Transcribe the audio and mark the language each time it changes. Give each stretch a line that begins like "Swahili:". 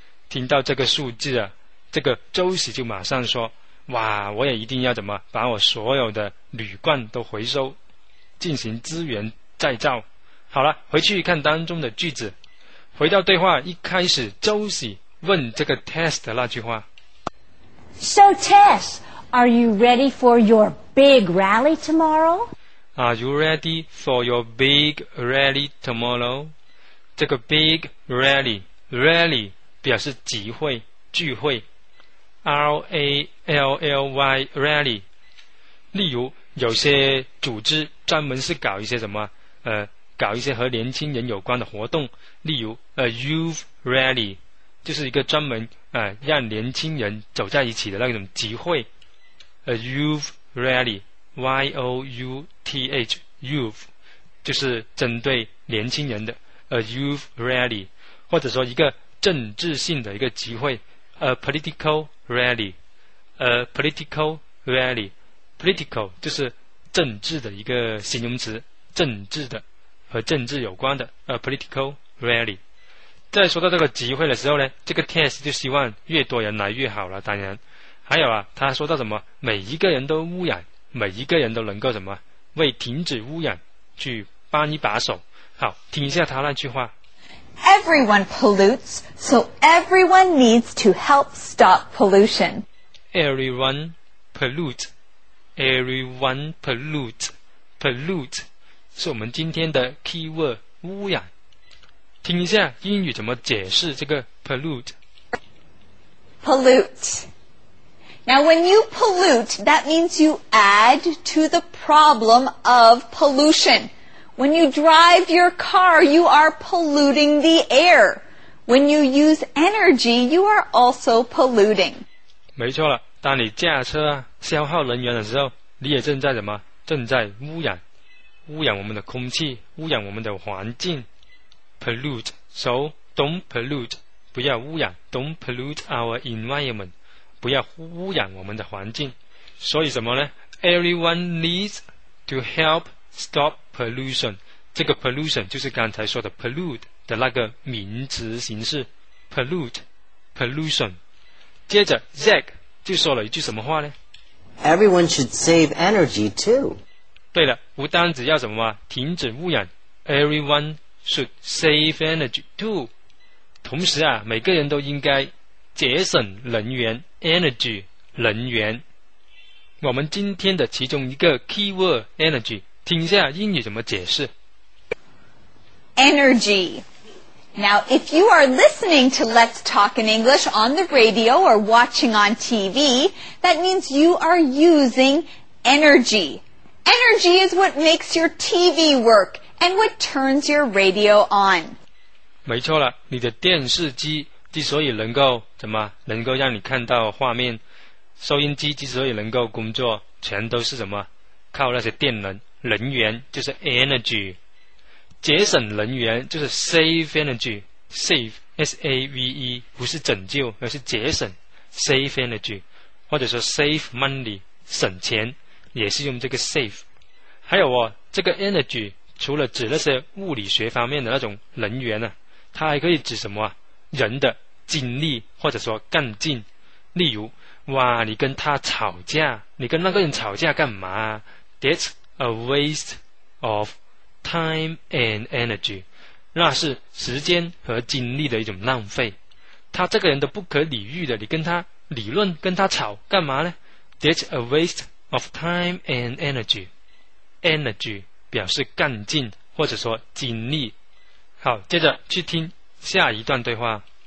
Chinese: 听到这个数字啊，这个 Josie 就马上说。哇，我也一定要怎么把我所有的铝罐都回收，进行资源再造。好了，回去看当中的句子。回到对话一开始，周喜问这个 Tess 的那句话。
English: So Tess, are you ready for your big rally tomorrow? Are you ready for your big rally tomorrow?
Chinese: 这个
English: big rally,
Chinese: rally 表示集会、聚会。 R-A-L-L-Y rally， 例如有些组织专门是搞一些什么搞一些和年轻人有关的活动，例如
English: A youth rally
Chinese: 就是一个专门让年轻人走在一起的那种集会。
English: A youth rally
Chinese: Y-O-U-T-H youth 就是针对年轻人的 A youth rally， 或者说一个政治性的一个集会
English: A political rally，
Chinese: A political rally， political 就是政治的一个形容词，政治的和政治有关的 A political rally。在说到这个集会的时候呢，这个 Tess 就希望越多人来越好了。当然还有啊，他说到什么每一个人都污染，每一个人都能够什么为停止污染去帮一把手。好，听一下他那句话。
English: Everyone pollutes, so everyone needs to help stop pollution. Everyone pollutes, everyone pollutes, pollute
Chinese: 是我们今天的
English: keyword
Chinese: 污染。听一下英语怎么解释这个 pollute.
English: Pollute. Now when you pollute, that means you add to the problem of pollution. When you drive your car, you are polluting the air. When you use energy, you are also polluting.
Chinese: 没错了，当你驾车啊，消耗能源的时候，你也正在什么？正在污染，污染我们的空气，污染我们的环境。
English: Pollute. So don't pollute.
Chinese: 不要污染。
English: Don't pollute our environment.
Chinese: 不要污染我们的环境。所以什么呢？
English: Everyone needs to help. Stop pollution.
Chinese: 这个 pollution 就是刚才说的 pollute 的那个名词形式 pollute, pollution. 接着 Zack 就说了一句什么话呢？
English: Everyone should save energy too.
Chinese: 对了，不单只要什么停止污染，
English: Everyone should save energy too.
Chinese: 同时啊，每个人都应该节省能源， energy 能源。我们今天的其中一个 keyword energy。听一下英语怎么解释。
English: Energy. Now, if you are listening to Let's Talk in English on the radio or watching on TV, that means you are using energy. Energy is what makes your TV work and what turns your radio on.
Chinese: 没错了，你的电视机之所以能够怎么能够让你看到画面，收音机之所以能够工作，全都是什么靠那些电能。能源就是 energy， 节省能源就是
English: save energy，
Chinese: save S-A-V-E 不是拯救而是节省， save energy 或者说
English: save money
Chinese: 省钱也是用这个 save。还有哦，这个 energy 除了指那些物理学方面的那种能源呢，它还可以指什么啊？人的精力或者说干劲。例如哇，你跟他吵架，你跟那个人吵架干嘛？
English: That'sA waste of time and energy.
Chinese: 那是时间和精力的一种浪费。他这个人都不可理喻的，你跟他理论，跟他吵干嘛呢？
English: That's a waste of time and energy.
Chinese: Energy 表示干劲或者说精力。好，接着去听下一段对话。